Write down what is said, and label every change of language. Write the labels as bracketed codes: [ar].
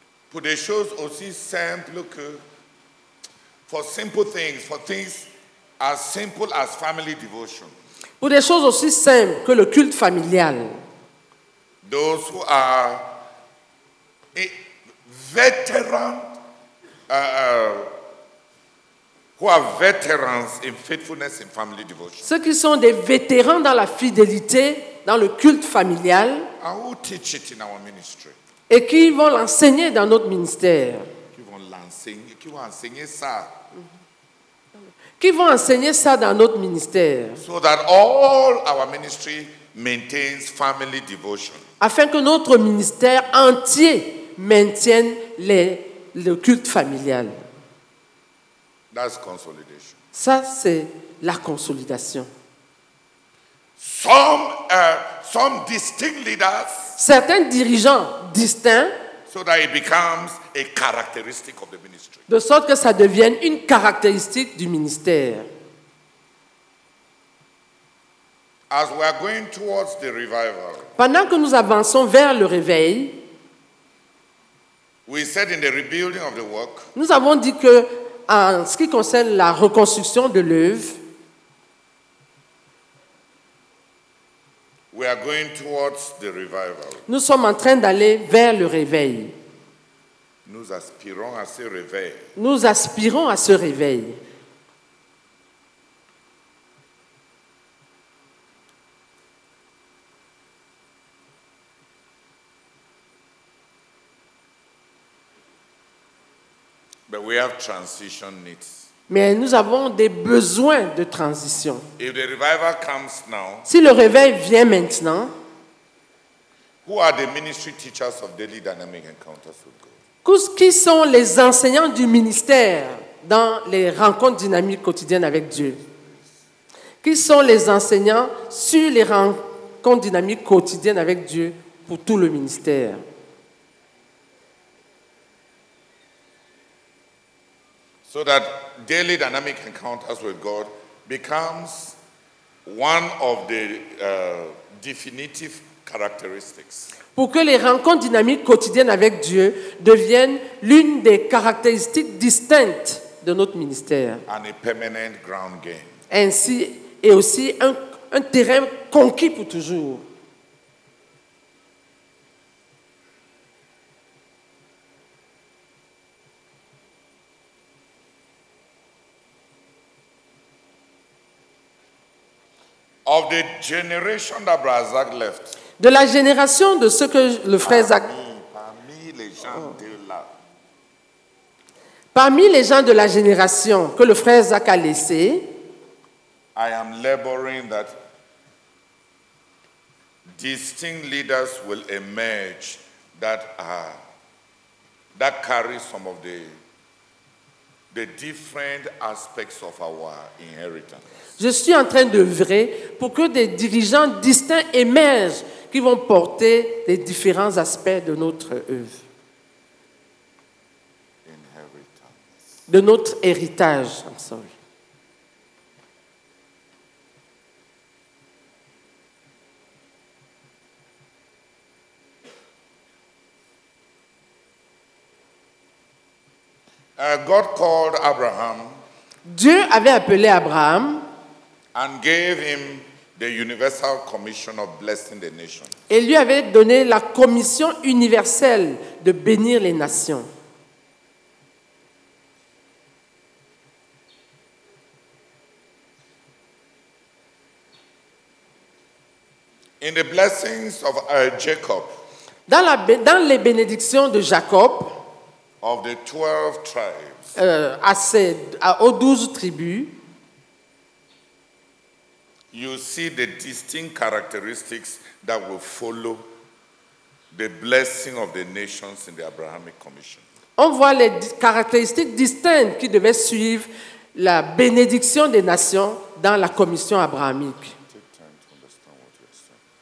[fr] Pour des choses aussi simples que, [en] for simple things, for things as simple as family devotion. [fr] Pour des choses aussi simples que le culte familial. [en] Those who are veterans in faithfulness and family devotion. [fr] Ceux qui sont des vétérans dans la fidélité, dans le culte familial. [en] And who teach it in our ministry. [fr] Et qui vont l'enseigner dans notre ministère. Qui vont enseigner ça. Qui vont enseigner ça dans notre ministère. [en] So that all our ministry maintains family devotion. [fr] Afin que notre ministère entier maintienne le culte familial. [en] That's consolidation. [fr] Ça, c'est la consolidation. [en] Some distinct leaders. [fr] Certains dirigeants distincts. [en] So that it becomes a characteristic of the ministry. [fr] De sorte que ça devienne une caractéristique du ministère. [en] As we are going towards the revival. [fr] Pendant que nous avançons vers le réveil. [en] We said in the rebuilding of the work. [fr] Nous avons dit que en ce qui concerne la reconstruction de l'œuvre, [en] we are going towards the revival. [fr] Nous sommes en train d'aller vers le réveil. Nous aspirons à ce réveil. Nous aspirons à ce réveil. [en] But we have transition needs. [fr] Mais nous avons des besoins de transition. [en] If the revival comes now, [fr] si le réveil vient maintenant, [en] who are the ministry teachers of daily dynamic encounters with God? [fr] Qui sont les enseignants du ministère dans les rencontres dynamiques quotidiennes avec Dieu? Qui sont les enseignants sur les rencontres dynamiques quotidiennes avec Dieu pour tout le ministère? [en] So that daily dynamic encounters with God becomes one of the definitive characteristics. [fr] Pour que les rencontres dynamiques quotidiennes avec Dieu deviennent l'une des caractéristiques distinctes de notre ministère. [en] And a permanent ground gain. [fr] Ainsi, et aussi un terrain conquis pour toujours. [en] Of the generation that Brazak left. [fr] De la génération de ce que le frère Zach. Parmi les gens de là. Parmi les gens de la génération que le frère Zach a laissé. [en] I am laboring that distinct leaders will emerge that carry some of the different aspects of our inheritance. [fr] Je suis en train d'œuvrer pour que des dirigeants distincts émergent qui vont porter les différents aspects de notre œuvre, de notre héritage. [en] I'm sorry. God called Abraham. [fr] Dieu avait appelé Abraham. [en] And gave him the universal commission of blessing the nations. [fr] Et lui avait donné la commission universelle de bénir les nations. [en] In the blessings of Jacob. [fr] Dans les bénédictions de Jacob. [en] Of the 12 tribes. [fr] Aux 12 tribus. [en] You see the distinct characteristics that will follow the blessing of the nations in the Abrahamic commission. [fr] On voit les caractéristiques distinctes qui devaient suivre la bénédiction des nations dans la commission abrahamique. [en] Take time to understand what you're saying.